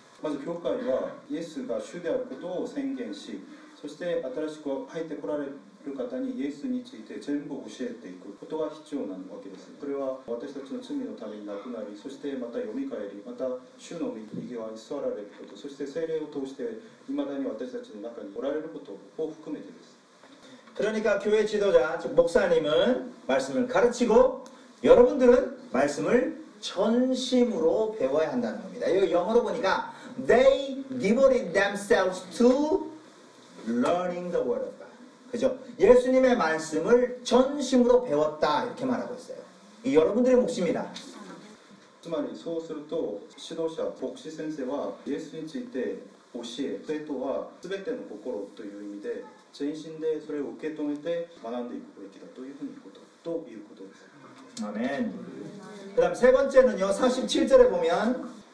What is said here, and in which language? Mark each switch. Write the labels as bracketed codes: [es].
[ko] 먼저교회는예수가주 [ja] であることを宣言し そして新しく入ってこられる方にイエスについて全部教えていくことが必要なわけですこれは私たちの罪のために亡くなりそしてまた蘇りまた主の御座に座られることそして聖霊を通して未だに私たちの中におられることを含めてです [ko] 그러니까교회지도자즉목사님은말씀을가르치고여러분들은말씀을전심으로배워야한다는겁니다이거영어로보니까 [en] They devoted themselves to learning the word of God [ko] 그죠예수님의말씀을전심으로배웠다이렇게말하고있어요이여러분들의몫입니다 [ja] つまりそうすると指導者牧師先生はイエスについて教え生徒は全ての心という意味で全身でそれを受け止めて学んでいくべきだというふうにということです [ko] 아멘그다음세번째는요47절에보면